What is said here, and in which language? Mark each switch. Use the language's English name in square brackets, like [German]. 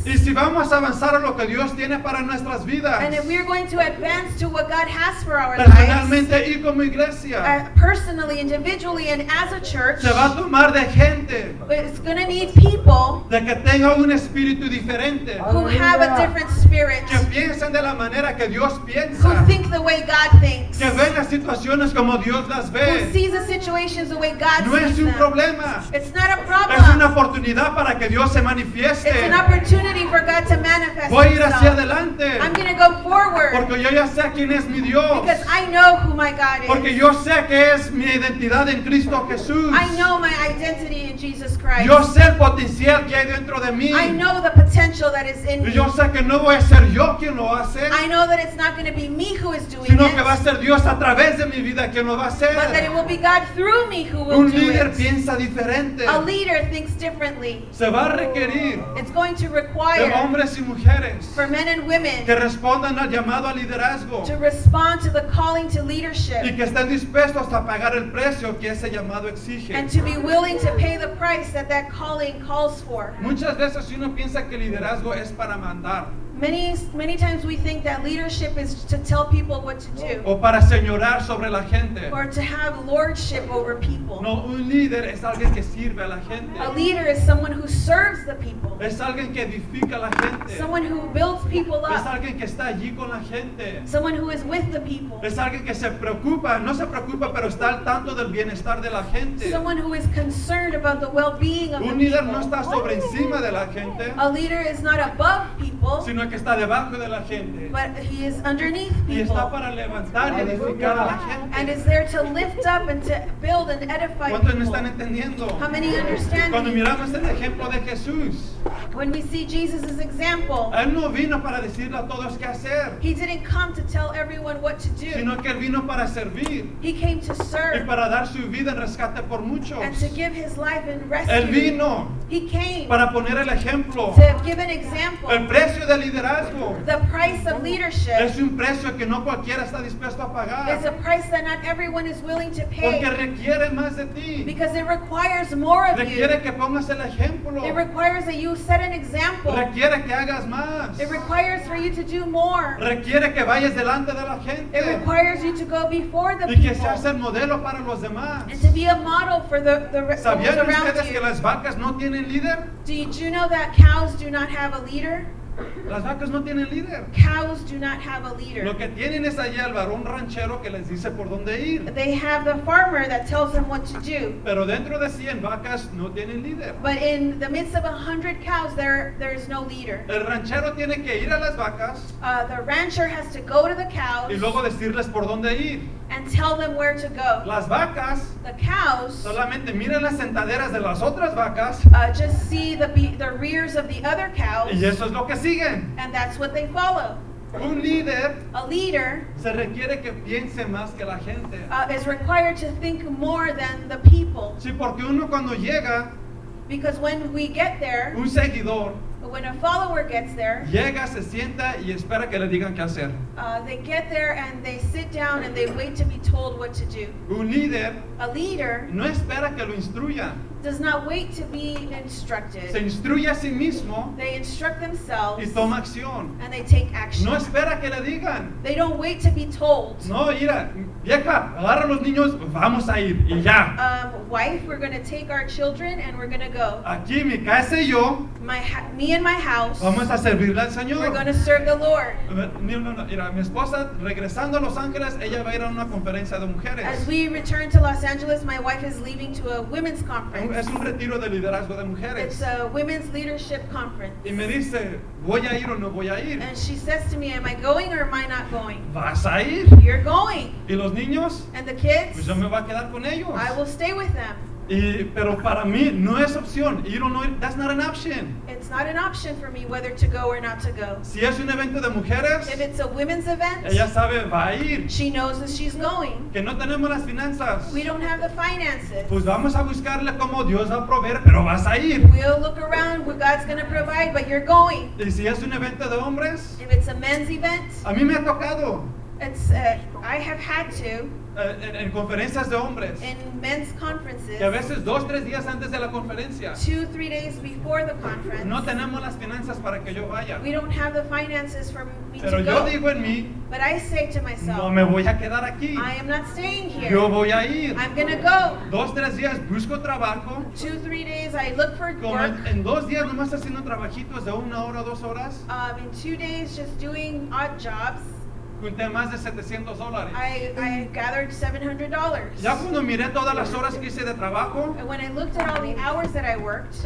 [Spanish] Y si vamos a avanzar a lo que Dios tiene para nuestras vidas. [English] And if we're going to advance to what God has for our [Spanish] personalmente [English] lives. [Spanish] Y como iglesia, [English] personally, individually, and as a church. [Spanish] Se va a tomar de gente, [English] but it's going to need people. [Spanish] De que tenga un espíritu diferente, [English] who have a different spirit. [Spanish] Que piensen de la manera que Dios piensa, [English] who think the way God thinks. [Spanish] Que ven las situaciones como Dios las ve, [English] who sees the situations the way God [Spanish] no [English] sees [Spanish] es un [English] them. [Spanish] Problema. [English] It's not a problem. [Spanish] Es una oportunidad para que Dios se manifieste. [English] It's an opportunity for God to manifest. [Spanish] Voy a ir [English] himself. [Spanish] Hacia adelante. [English] I'm going to go forward. [Spanish] Porque yo ya sé quién es mi Dios. [English] Because I know who my God is. [Spanish] Porque yo sé que es mi identidad en Cristo Jesús. [English] I know my identity in Jesus Christ. [Spanish] Yo sé el potencial que hay dentro de mí. [English] I know the potential that is in me. [Spanish] Yo sé que no voy a ser yo quien lo hace. [English] I know that it's not going to be me who is doing [Spanish] sino [English] it. [Spanish] Sino que va a ser Dios a través de mi vida quien lo va a hacer. [English] But that it will be God through me who will [Spanish] un [English] do it. [Spanish] Un líder piensa diferente. [English] A leader thinks differently. [Spanish] Se va a requerir. [English] It's going to require [Spanish] de hombres y mujeres [English] for men and women [Spanish] que respondan al llamado al liderazgo [English] to respond to the calling to leadership [Spanish] y que estén dispuestos a pagar el precio que ese llamado exige [English] and to be willing to pay the price that that calling calls for. [Spanish] Muchas veces uno piensa que liderazgo es para mandar. [English] Many times we think that leadership is to tell people what to do. [Spanish] O para señorar sobre la gente. [English] Or to have lordship over people. [Spanish] No, un líder es alguien que sirve a la gente. [English] A leader is someone who serves the people. [Spanish] Es alguien que edifica a la gente. [English] Someone who builds people up. [Spanish] Es alguien que está allí con la gente. [English] Someone who is with the people. [Spanish] Es alguien que se preocupa, no se preocupa, pero está al tanto del bienestar de la gente. [English] Someone who is concerned about the well-being of [Spanish] un [English] the [Spanish] un líder [English] people. [Spanish] No está sobre encima de la gente. [English] A leader is not above people. [Spanish] Sino que está debajo de la gente. [English] But he is underneath people. [Spanish] Y está para levantar y edificar a la gente. [English] And is there to lift up and to build and edify [Spanish] ¿cuántos [English] people? [Spanish] Me están entendiendo? [English] How many understand [Spanish] cuando miramos el ejemplo de Jesús. [English] When we see Jesus' example. [Spanish] Él no vino para decirle a todos qué hacer. [English] He didn't come to tell everyone what to do. [Spanish] Sino que él vino para servir. [English] He came to serve. [Spanish] Y para dar su vida en rescate por muchos. [English] And to give his life in rescue. [Spanish] Él vino. [English] He came. [Spanish] Para poner el ejemplo. [English] To give an example. [Spanish] El precio del liderazgo. [English] The price of leadership. [Spanish] Es un precio que no cualquiera está dispuesto a pagar. [English] It's a price that not everyone is willing to pay. [Spanish] Porque requiere más de ti. [English] Because it requires more of [Spanish] requiere [English] you. [Spanish] Requiere que pongas el ejemplo. [English] It requires that you set an example. [Spanish] Requiere que hagas más. [English] It requires for you to do more. [Spanish] Requiere que vayas delante de la gente. [English] It requires you to go before the [Spanish] y [English] people. [Spanish] Y que seas el modelo para los demás. [English] And to be a model for the those around you. [Spanish] ¿Sabían ustedes que las vacas no tienen líder? [English] Did you know that cows do not have a leader? [Spanish] Las vacas no tienen líder. [English] Cows do not have a leader. [Spanish] Lo que tienen es allá el varón ranchero que les dice por dónde ir. [English] They have the farmer that tells them what to do. [Spanish] Pero dentro de 100 vacas no tienen líder. [English] But in the midst of 100 cows there is no leader. [Spanish] El ranchero tiene que ir a las vacas. [English] The rancher has to go to the cows. [Spanish] Y luego decirles por dónde ir. [English] And tell them where to go. [Spanish] Las vacas. [English] The cows. [Spanish] Solamente miran las sentaderas de las otras vacas. [English] Just see the rears of the other cows. [Spanish] Y eso es lo que siguen. [English] And that's what they follow. [Spanish] Un líder. [English] A leader. [Spanish] Se requiere que piense más que la gente. [English] Is required to think more than the people. [Spanish] Sí, porque uno cuando llega. [English] Because when we get there. [Spanish] Un seguidor. [English] But when a follower gets there, [Spanish] llega, se sienta y espera que le digan qué hacer. [English] They get there and they sit down and they wait to be told what to do. [Spanish] Un líder, [English] a leader, [Spanish] no espera que lo instruyan. [English] Does not wait to be instructed. [Spanish] Se instruye a sí mismo. [English] They instruct themselves. [Spanish] Y toma acción. [English] And they take action. [Spanish] No espera que le digan. [English] They don't wait to be told. [Spanish] No, mira, vieja, agarra los niños, vamos a ir y ya. [English] Wife, we're going to take our children and we're going to go. [Spanish] Aquí mi casa y yo. [English] Me and my house. [Spanish] Vamos a servirle al Señor. [English] We're going to serve the Lord. [Spanish] No. Mira, mi esposa regresando a Los Ángeles, ella va a ir a una conferencia de mujeres. [English] As we return to Los Angeles, my wife is leaving to a women's conference. [Spanish] Es un retiro de liderazgo de mujeres. [English] It's a women's leadership conference. [Spanish] Y me dice, ¿voy a ir o no voy a ir? [English] And she says to me, am I going or am I not going? [Spanish] ¿Vas a ir? [English] You're going. [Spanish] ¿Y los niños? [English] And the kids? [Spanish] Pues yo me voy a quedar con ellos. [English] I will stay with them. [Spanish] Y, pero para mí no es opción. Ir o no ir, [English] that's not an option. It's not an option for me whether to go or not to go. [Spanish] Si es un evento de mujeres, [English] if it's a women's event, [Spanish] ella sabe, va a ir. [English] She knows that she's going. [Spanish] Que no tenemos las finanzas. [English] We don't have the finances. [Spanish] Pues vamos a buscarle cómo Dios va a proveer, pero vas a ir. [English] We'll look around what God's going to provide, but you're going. [Spanish] Y si es un evento de hombres, [English] if it's a men's event, [Spanish] a mí me ha tocado. [English] I have had to. [Spanish] En conferencias de hombres. [English] In men's conferences. [Spanish] Y a veces dos, tres días antes de la conferencia. [English] 2-3 days before the conference. [Spanish] No tenemos las finanzas para que yo vaya. [English] We don't have the finances for me [Spanish] pero [English] to go. [Spanish] Pero yo digo en mí. [English] But I say to myself. [Spanish] No me voy a quedar aquí. [English] I am not staying here. [Spanish] Yo voy a ir. [English] I'm gonna go. [Spanish] Dos, tres días busco trabajo. [English] 2-3 days I look for work. [Spanish] Como en dos días nomás haciendo trabajitos de una hora, dos horas. [English] In 2 days just doing odd jobs. [Spanish] Junté más de $700. [English] I gathered $700. [Spanish] Ya cuando miré todas las horas que hice de trabajo, [English] and when I looked at all the hours that I worked,